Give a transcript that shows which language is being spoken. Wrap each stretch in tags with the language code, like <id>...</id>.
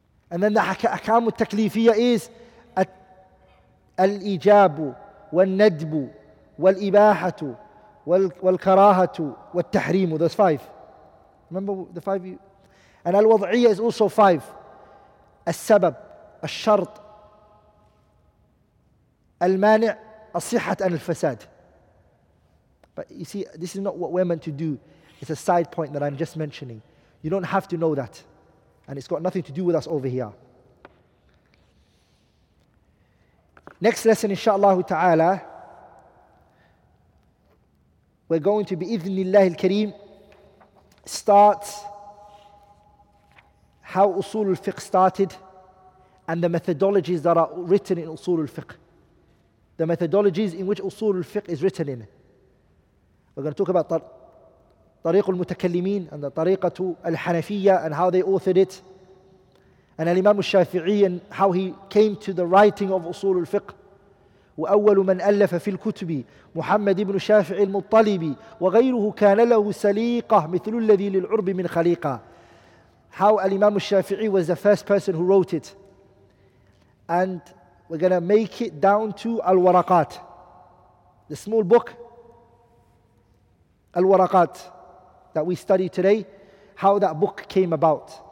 <en>And then the</en> <ar>أحكام التكليفية is الإجاب والندب والإباحة والكراهة والتحريم.</ar> <en>Those five. Remember the five you... And الوضعية is also five.</en> <ar>السبب, الشرط, المانع, الصحة and الفساد.</ar> <en>But you see, this is not what we're meant to do. It's a side point that I'm just mentioning. You don't have to know that. And it's got nothing to do with us over here. Next lesson, inshaAllah ta'ala, we're going to bi'idhnillahi al-kareem start how Usul al-Fiqh started and the methodologies that are written in Usul al-Fiqh. The methodologies in which Usul al-Fiqh is written in. We're going to talk about Tariq al-Mutakallimeen and the Tariqatu al-Hanafiyya and how they authored it. And al-Imam al-Shafi'i and how he came to the writing of Usul al-Fiqh.</en> <ar>وأول من ألف في الكتب محمد بن شافعي المطلبي وغيره كان له سليقة مثل الذي للعرب من خليقة.</ar> <en>How al-Imam al-Shafi'i was the first person who wrote it. And we're going to make it down to al-Waraqat. The small book, al-Waraqat, that we study today, how that book came about.</en>